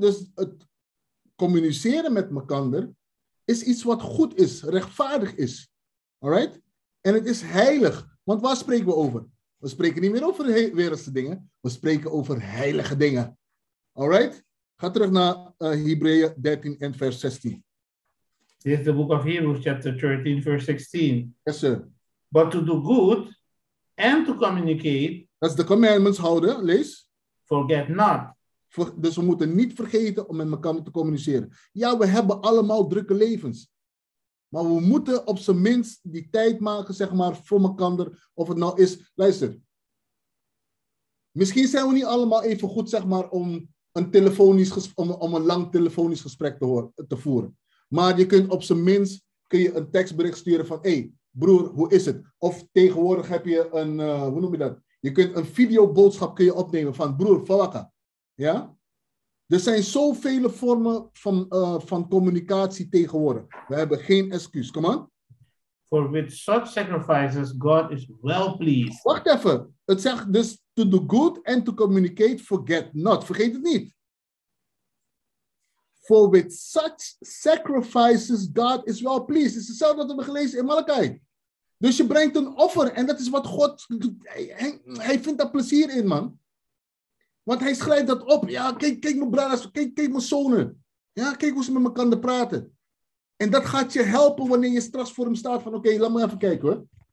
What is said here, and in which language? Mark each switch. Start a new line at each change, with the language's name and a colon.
Dutch: Dus het communiceren met elkaar is iets wat goed is. Rechtvaardig is. Alright? En het is heilig. Want waar spreken we over? We spreken niet meer over wereldse dingen. We spreken over heilige dingen. All right? Ga terug naar Hebreeën 13 en vers 16.
English: This is the book of Hebrews, chapter 13, verse 16. Yes, sir. But to do good and to communicate... That's the commandments
Dutch: houden, lees.
English: Forget not.
Dutch: Dus we moeten niet vergeten om met elkaar te communiceren. Ja, we hebben allemaal drukke levens. Maar we moeten op zijn minst die tijd maken, zeg maar, voor elkaar. Of het nou is, luister. Misschien zijn we niet allemaal even goed, zeg maar, om een lang telefonisch gesprek te voeren. Maar je kunt op zijn minst kun je een tekstbericht sturen van, hey, broer, hoe is het? Of tegenwoordig heb je een, hoe noem je dat? Je kunt een videoboodschap kun je opnemen van broer, falaka. Ja? Er zijn zoveel vormen van communicatie tegenwoordig. We hebben geen excuus.
English: Come on. For with such sacrifices, God is well pleased.
Dutch: Wacht even. Het zegt dus,
English: to do good and to communicate, forget not.
Dutch: Vergeet het niet.
English: For with such sacrifices, God is well pleased.
Dutch: Het is hetzelfde wat we hebben gelezen in Malachi. Dus je brengt een offer en dat is wat God, hij vindt daar plezier in, man. Want hij schrijft dat op. Ja, kijk mijn broers, kijk mijn zonen. Ja, kijk hoe ze met elkaar kunnen praten. En dat gaat je helpen wanneer je straks voor hem staat van, oké, laat me even kijken hoor.